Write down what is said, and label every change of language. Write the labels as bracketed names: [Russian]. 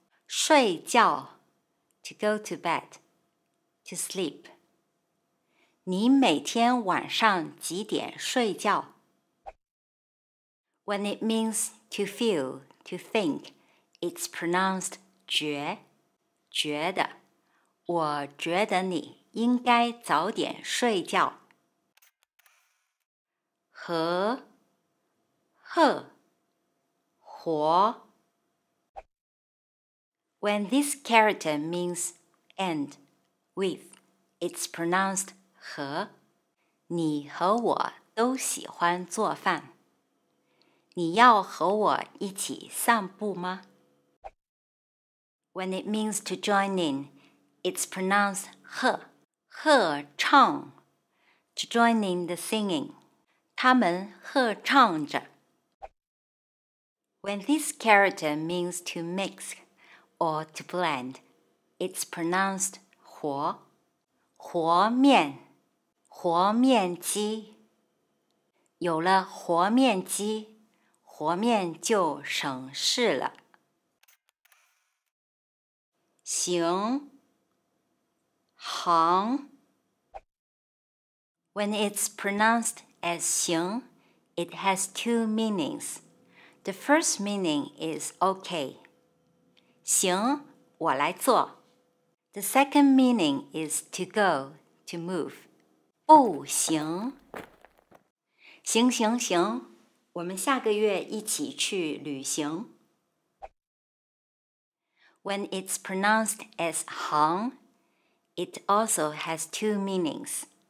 [English] 睡觉 to go to bed, to sleep. [Chinese] 你每天晚上几点睡觉? [English] When it means to feel, to think, it's pronounced 觉, 觉得。 [Chinese] 我觉得你应该早点睡觉。和 ，her， 活。 [English] When this character means end, with, it's pronounced 和。 [Chinese] 你和我都喜欢做饭。你要和我一起散步吗 ？ [English] When it means to join in, it's pronounced [Chinese] 和。 [English] 和唱 ，to join in the singing。 [Chinese] 他们合唱着。 [English] When this character means to mix or to blend, it's pronounced 和。 [Chinese] 和面，和面机。有了和面机，和面就省事了。行，行。 [English] When it's pronounced as 行, it has two meanings. The first meaning is okay. [Chinese] 行, 我来做。 [English] The second meaning is to go, to move. [Chinese] 不行。行行行，我们下个月一起去旅行。 [English] When it's pronounced as 行, it also has two meanings.